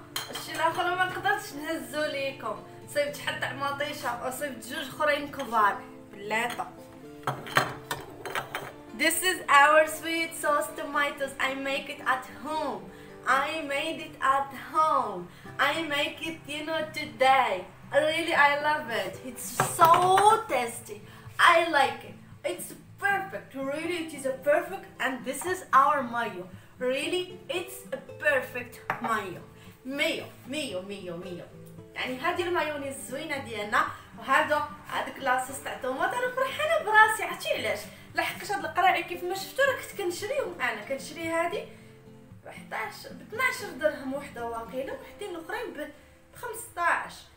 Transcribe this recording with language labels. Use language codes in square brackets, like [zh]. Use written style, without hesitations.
[ar] الشيء الاخر ما قدرتش نهزو ليكم صيبت حتى مطيشه وصيبت جوج اخرين كبار بلاطه [en] This is our sweet sauce tomatoes. I make it at home. I made it at home. I make it, you know, today. Really, I love it. It's so tasty. I like it. It's perfect. Really, it is a perfect. And this is our mayo. Really, it's a perfect mayo. Mayo, mayo, mayo, mayo. [ar] يعني هذه المايونيز زوينه ديالنا وهذا هذاك لاصوص تاع طوماط. انا فرحانه براسي عرفتي علاش؟ لحقاش هاد القراعي كيف ما شفتو راه كنت كنشريهم. انا كنشري هادي ب 11 ب 12 درهم وحده واقيله وحدين الاخرين ب 15.